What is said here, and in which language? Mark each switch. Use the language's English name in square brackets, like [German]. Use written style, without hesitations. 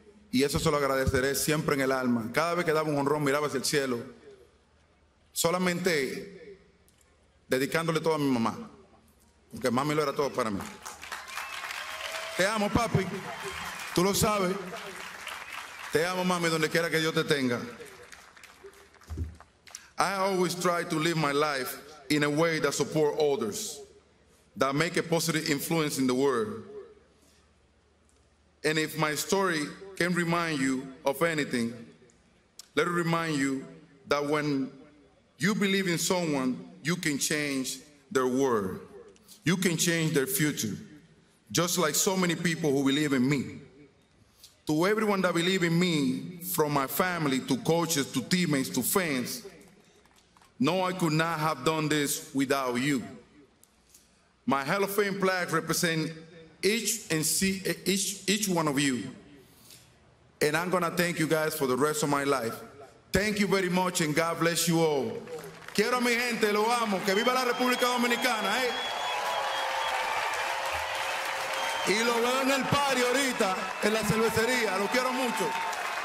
[Spanish] Y eso se lo agradeceré siempre en el alma. Cada vez que daba un honrón, miraba hacia el cielo, solamente dedicándole todo a mi mamá, porque mami lo era todo para mí. Te amo, papi. Tú lo sabes. Te amo, mami, donde quiera que Dios te tenga. [English] I always try to live my life in a way that supports others, that make a positive influence in the world. And if my story can remind you of anything, let it remind you that when you believe in someone, you can change their world. You can change their future, just like so many people who believe in me. To everyone that believe in me, from my family, to coaches, to teammates, to fans, no, I could not have done this without you. My Hall of Fame plaque represents each one of you. And I'm gonna thank you guys for the rest of my life. Thank you very much, and God bless you all. [Spanish] Quiero a mi gente, lo amo. Que viva la República Dominicana, eh. Y lo veo en el party ahorita, en la cervecería. Lo quiero mucho.